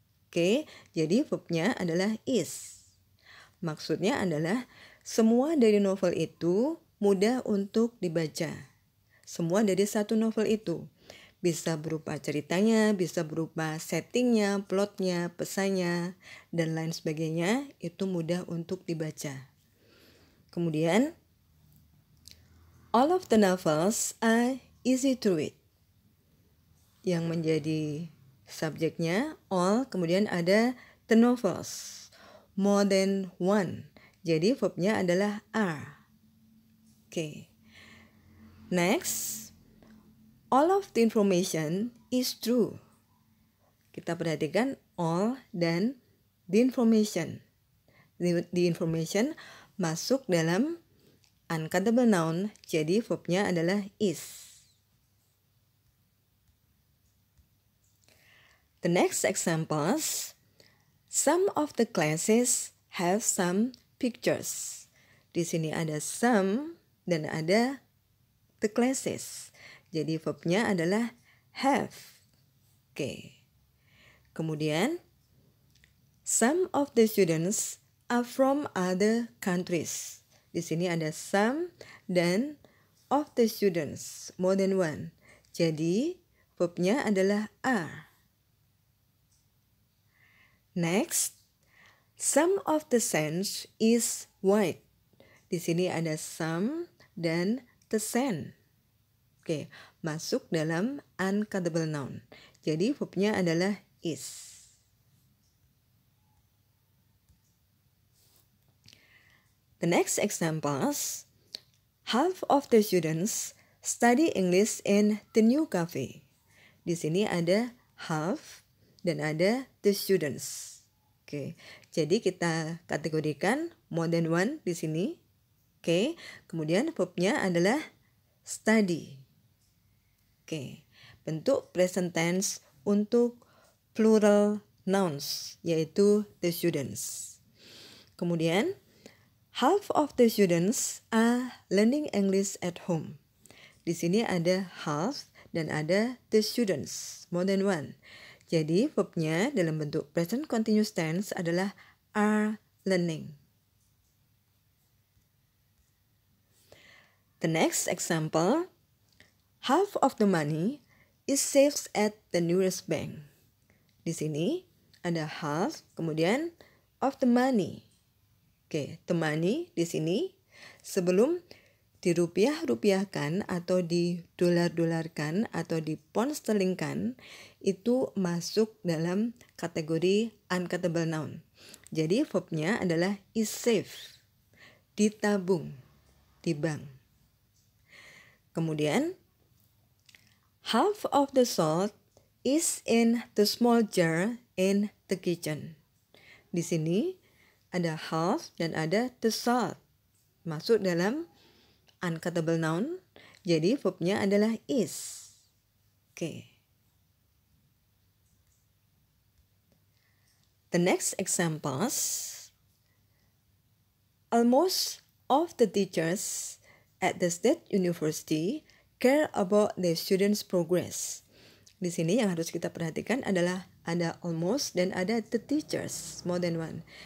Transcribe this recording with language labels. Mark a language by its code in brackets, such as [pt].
[id] Oke, jadi verb-nya adalah is. Maksudnya adalah semua dari novel itu mudah untuk dibaca. Semua dari satu novel itu. Bisa berupa ceritanya, bisa berupa settingnya, plotnya, pesannya, dan lain sebagainya, itu mudah untuk dibaca. [en] Kemudian, all of the novels are easy to read. [id] Yang menjadi subjeknya all, kemudian ada the novels, [en] more than one. [id] Jadi verb-nya adalah are. [en] Oke. Next, all of the information is true. [id] Kita perhatikan all dan the information. [en] The information [id] masuk dalam uncountable noun, jadi verb-nya adalah is. [en] The next examples, some of the classes have some pictures. [id] Di sini ada some dan ada the classes. Jadi verb-nya adalah have. Oke. [en] Kemudian, some of the students are from other countries. [id] Di sini ada some dan [en] of the students, more than one. [id] Jadi, verb-nya adalah are. [en] Next, some of the sand is white. [id] Di sini ada some dan the sand. Oke, masuk dalam uncountable noun. Jadi, verb-nya adalah is. [en] The next examples, half of the students study English in the new cafe. [id] Di sini ada half dan ada the students. Oke, jadi kita kategorikan [en] more than one [id] di sini. Oke, kemudian verb-nya adalah study. Oke, bentuk present tense untuk plural nouns, yaitu the students. [en] Kemudian, half of the students are learning English at home. [id] Di sini ada half dan ada [en] the students, more than one. [id] Jadi verb-nya dalam bentuk [en] present continuous tense [id] adalah [en] are learning. The next example, half of the money is saved at the nearest bank. [id] Di sini ada half, kemudian of the money. Oke, the money di sini sebelum dirupiah-rupiahkan atau didolar-dolarkan atau diponsterlingkan itu masuk dalam kategori uncountable noun. Jadi verb-nya adalah is safe, ditabung, di bank. [en] Kemudian, half of the salt is in the small jar in the kitchen. [id] Di sini ada half dan ada the salt. Masuk dalam uncountable noun. Jadi verb-nya adalah is. Oke. [en] The next examples, almost all of the teachers at the state university care about the students' progress. [id] Di sini yang harus kita perhatikan adalah ada almost dan ada the teachers, [en] more than one.